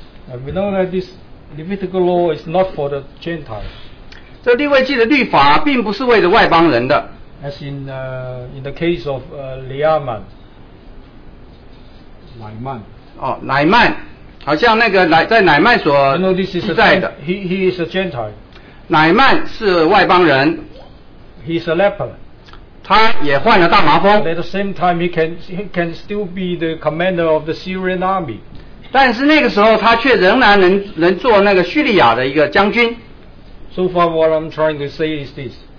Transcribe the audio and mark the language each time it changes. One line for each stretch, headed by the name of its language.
English: And we know that this Levitical law is not for the Gentiles.
Chinese: 这利未记的律法并不是为了外邦人的。
English: As in the case of Leaman, Naaman.
Chinese: 哦，乃曼，好像那个在乃曼所记载的。
English: He is a Gentile.
Chinese: 乃曼是外邦人。
English: He's a leper.
Chinese: 他也患了大麻风。
English: At the same time, he can still be the commander of the Syrian army.
Chinese: 但是那个时候，他却仍然能做那个叙利亚的一个将军。
English: So far, what I'm trying to say is this.